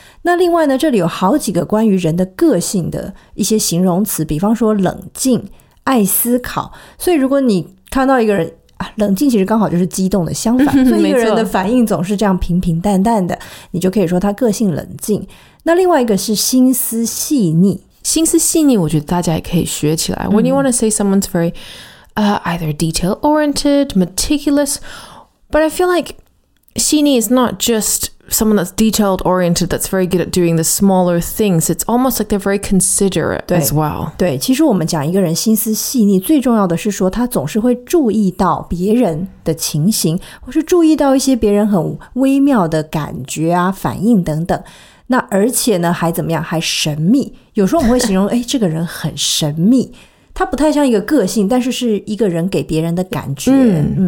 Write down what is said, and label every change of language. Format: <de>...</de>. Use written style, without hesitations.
<zh>那另外呢，这里有好几个关于人的个性的一些形容词，比方说冷静，爱思考，所以如果你看到一个人冷静其实刚好就是激动的相反，所以一个人的反应总是这样平平淡淡的，你就可以说他个性冷静。那另外一个是心思细腻，心思细腻我觉得大家也可以学起来。</zh> <en>When you want to say someone's very either detail oriented, meticulous, but I feel like 细腻 is not just someone that's detail oriented that's very good at doing the smaller things. It's almost like they're very considerate as well.</en> <zh>对，其实我们讲一个人心思细腻，最重要的是说他总是会注意到别人的情形，或是注意到一些别人很微妙的感觉啊、反应等等。那而且呢，还怎么样？还神秘。有时候我们会形容，哎，这个人很神秘，他不太像一个个性，但是是一个人给别人的感觉。</zh>